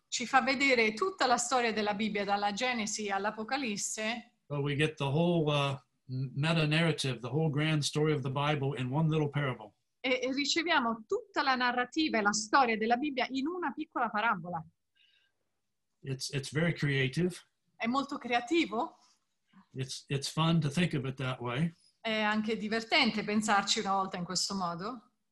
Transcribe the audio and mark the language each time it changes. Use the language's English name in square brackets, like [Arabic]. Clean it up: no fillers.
[Italian] Ci fa vedere tutta la storia della Bibbia dalla Genesi all'Apocalisse. [English] But we get the whole meta-narrative, the whole grand story of the Bible in one little parable. [Italian] E riceviamo tutta la narrativa e la storia della Bibbia in una piccola parabola. [English] It's very creative. [Italian] È molto creativo. [English] It's fun to think of it that way. [Italian] È anche divertente pensarci una volta in questo modo.